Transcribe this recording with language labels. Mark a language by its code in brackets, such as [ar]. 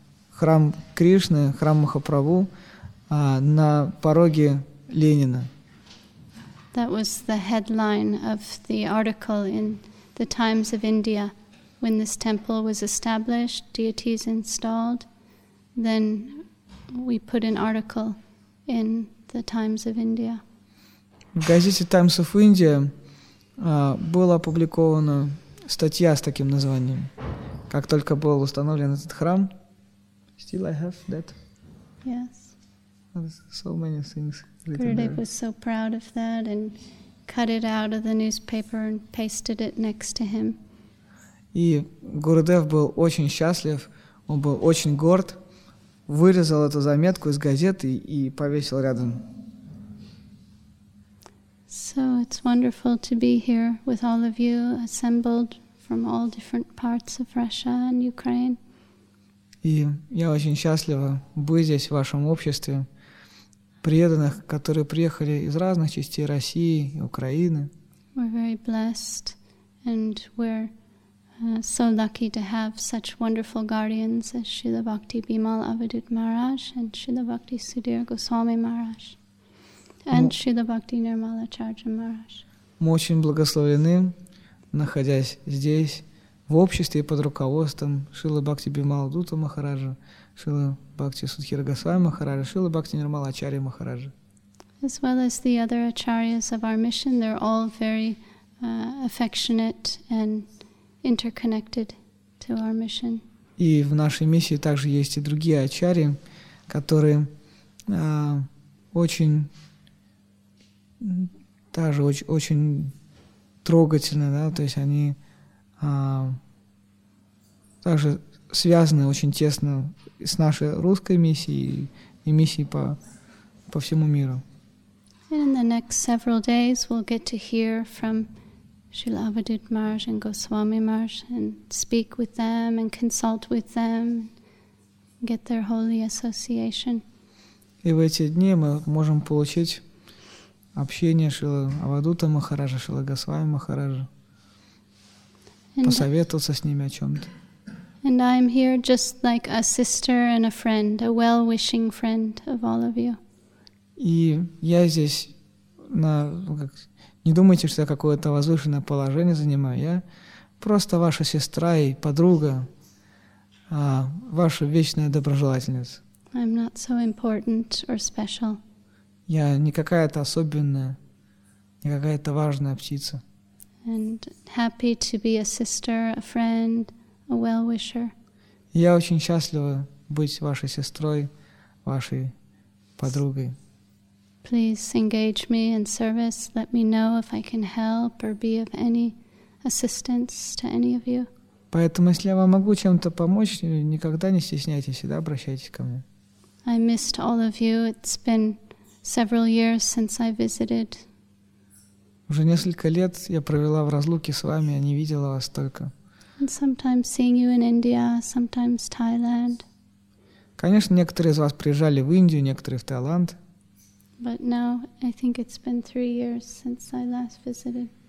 [ru] Храм Кришны, храм Махапрабху на пороге Ленина. [en] That was the headline of the article in the Times of India. When this temple was established, deities installed, then we put an article in the Times of India. [ru] В газете Times of India было опубликовано статья с таким названием. Как только был установлен этот храм. [en] Still I have that. Yes. There's so many things written there. Was so proud of that and cut it out of the newspaper and pasted it next to him. [ru] И Гурудев был очень счастлив, он был очень горд, вырезал эту заметку из газеты и повесил рядом. [en] So it's wonderful to be here with all of you assembled from all different parts of Russia and Ukraine. [ru] И я очень счастлива быть здесь в вашем обществе преданных, которые приехали из разных частей России и Украины. [en] We're very blessed and we're so lucky to have such wonderful guardians as Srila Bhakti Bimal Avadhut Maharaj and Srila Bhakti Sudhir Goswami Maharaj. And Srila Bhakti Nirmala Charja Maharaj. [ru] Мы очень благословлены, находясь здесь, в обществе под руководством Шрилы Бхакти Бимала Дута Махараджа, Шрилы Бхакти Судхира Госвами Махараджа, Шрилы Бхакти Нирмала Ачарьи Махараджа. [en] As well as the other acharyas of our mission, they're all very affectionate and interconnected to our mission. [ru] И в нашей миссии также есть и другие ачарьи, которые очень трогательны, да, то есть они также связаны очень тесно с нашей русской миссией и миссией по всему миру. [en] And in the next several days we'll get to hear from Srila Avadhut Maharaj and Goswami Maharaj and speak with them and consult with them, get their holy association. [ru] И в эти дни мы можем получить общение Шрилы Авадута Махараджа, Шрилы Госвами Махараджа, посоветоваться с ними о чем-то. [en] And I'm here just like a sister and a friend, a well-wishing friend of all of you. [ru] И я здесь, не думайте, что я какое-то возвышенное положение занимаю, я просто ваша сестра и подруга, ваша вечная доброжелательница. [en] I'm not so important or special. [ru] Я не какая-то особенная, не какая-то важная птица. [en] And happy to be a sister, a friend, a well-wisher. [ru] Я очень счастлива быть вашей сестрой, вашей подругой. [en] Please engage me in service. Let me know if I can help or be of any assistance to any of you. [ru] Поэтому, если я вам могу чем-то помочь, никогда не стесняйтесь, всегда обращайтесь ко мне. [en] I missed all of you. It's been several years since I visited. [ru] Уже несколько лет я провела в разлуке с вами, я не видела вас столько. [en] And sometimes seeing you in India, sometimes Thailand. [ru] Конечно, некоторые из вас приезжали в Индию, некоторые в Таиланд. [en] But now I think it's been 3 years since I last visited.